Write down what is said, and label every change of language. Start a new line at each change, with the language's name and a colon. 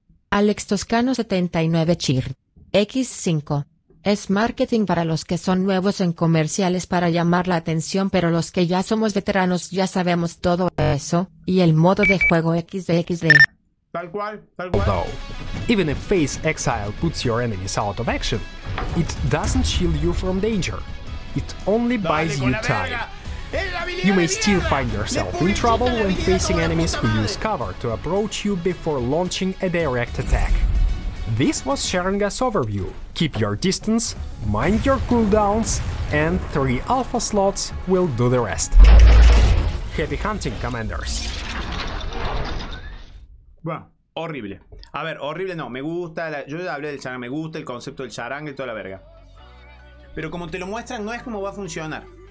Spanish: Alex Toscano 79 Cheer. X5. Es marketing para los que son nuevos en comerciales para llamar la atención, pero los que ya somos veteranos ya sabemos todo eso, y el modo de juego XD. Tal cual.
English: Although, even if Phase Exile puts your enemies out of action, it doesn't shield you from danger. It only buys you time. You may still find yourself in trouble when facing enemies who use cover to approach you before launching a direct attack. This was Sharinga's overview. Keep your distance, mind your cooldowns, and 3 alpha slots will do the rest. Happy hunting, commanders.
Spanish: Bueno, horrible. A ver, horrible no. Me gusta, yo ya hablé del Sharinga, me gusta el concepto del Sharinga y toda la verga. Pero como te lo muestran, no es como va a funcionar.